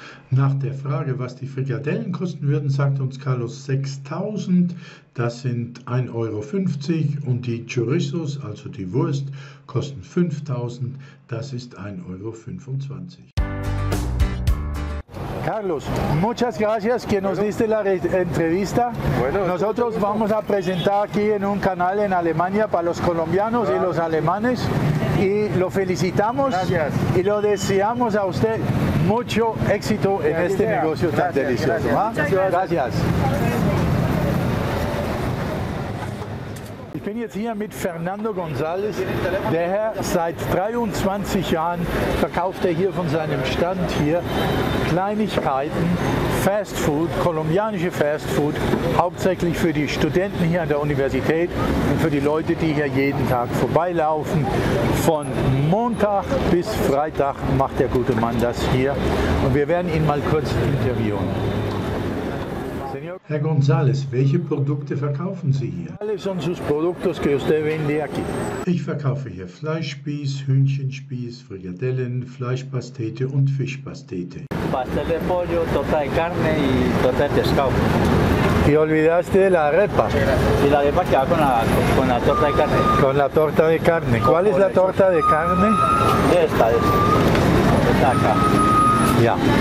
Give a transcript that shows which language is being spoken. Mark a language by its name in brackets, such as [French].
[German] Nach der Frage, was die Frikadellen kosten würden, sagt uns Carlos 6.000, das sind 1,50 Euro. Und die Chorizos, also die Wurst, kosten 5.000, das ist 1,25 Euro. [Spanish] Carlos, muchas gracias que nos diste la entrevista. Bueno, nosotros vamos a presentar aquí en un canal en Alemania para los colombianos y los alemanes. Y lo felicitamos. Gracias. Y lo deseamos a usted mucho éxito en este negocio tan delicioso. Gracias. [German] Ich bin jetzt hier mit Fernando González. Der Herr seit 23 Jahren verkauft er hier von seinem Stand hier Kleinigkeiten, Fast Food, kolumbianische Fast Food, hauptsächlich für die Studenten hier an der Universität und für die Leute, die hier jeden Tag vorbeilaufen. Von Montag bis Freitag macht der gute Mann das hier. Und wir werden ihn mal kurz interviewen. Herr González, welche Produkte verkaufen Sie hier? [Spanish] Alle son sus productos que usted vende aquí. [German] Ich verkaufe hier Fleischspieß, Hühnchenspieß, Frikadellen, Fleischpastete und Fischpastete. [Spanish] Pastel de pollo, torta de carne y torta de pescado. Y olvidaste de la arepa. Y la arepa que va con la torta de carne. Con la torta de carne. ¿Cuál es la torta de carne? Esta acá. Ya.